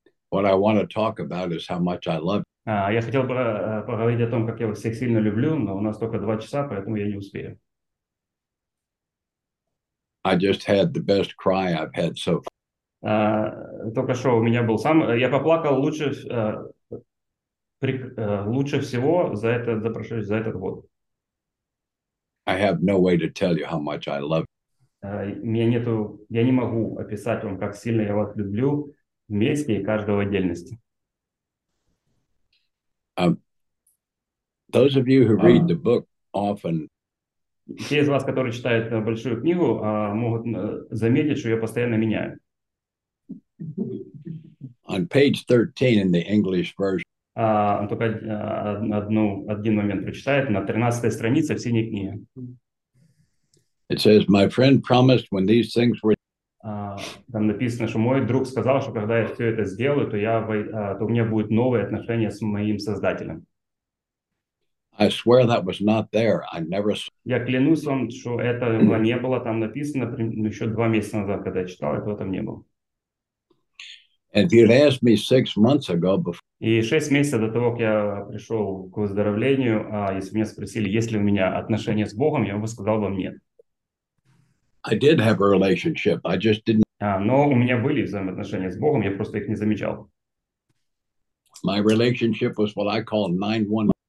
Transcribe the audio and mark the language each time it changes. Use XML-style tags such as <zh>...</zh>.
<en>What I want to talk about is how much I love you.</en> <ru>Я хотел бы поговорить о том, как я всех сильно люблю, но у нас только 2 часа, поэтому я не успею.</ru> <en>I just had the best cry I've had so far.</en> <ru>Только что у меня был сам... Я поплакал лучше... лучше всего за это за прошедший за этот год.</ru> <en>I have no way to tell you how much I love</en> <ru>меня нету, я не могу описать вам, как сильно я вас люблю вместе и каждого в отдельности.</ru> <en>Those of you who read the book often,</en> <ru>те из вас, которые читают большую книгу, могут заметить, что я постоянно меняю.</ru> <en>On page 13 in the English version.</en> <ru>Только один момент прочитает на 13-й странице в синей книге.</ru> <en>It says, my friend promised when these things were...</en> <ru>там написано, что мой друг сказал, что когда я все это сделаю, то у меня будет новое отношение с моим создателем.</ru> <en>I swear that was not there. I never...</en> <ru>Я клянусь вам, что этого не было там написано еще 2 месяца назад, когда я читал, этого там не было.</ru> <en>And if you'd asked me 6 months ago before...</en> <ru>И 6 месяцев до того, как я пришел к выздоровлению, если меня спросили, есть ли у меня отношения с Богом, я бы сказал вам нет.</ru> <en>I did have a relationship, I just didn't...</en> <ru>но у меня были взаимоотношения с Богом, я просто их не замечал.</ru> <en>My relationship was what I call 9-1.</en>